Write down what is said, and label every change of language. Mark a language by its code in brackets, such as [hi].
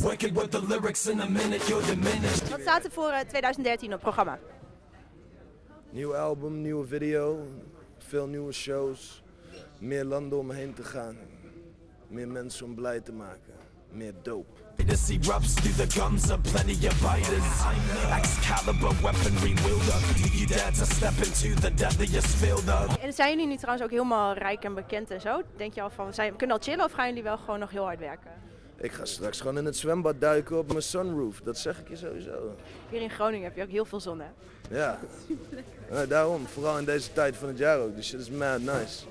[en] Working with the lyrics in a minute, you're diminished. [nl] Wat staat er voor 2013 op het programma? Nieuw album, nieuwe video, veel nieuwe shows, meer landen om heen te gaan, meer mensen om blij te maken, meer dope. [en] This erupts through the gums of plenty of biters. Excalibur weaponry wielder. Do you dare to step into the deadliest field of? [nl] En zijn jullie nu trouwens ook helemaal rijk en bekend en zo? Denk je al van, kunnen al chillen of gaan jullie wel gewoon nog heel hard werken? Ik ga straks gewoon in het zwembad duiken op mijn sunroof. Dat zeg ik je sowieso. Hier in Groningen heb je ook heel veel zon, hè? Ja. Nee, daarom, vooral in deze tijd van het jaar ook. Dus [en] shit is mad nice.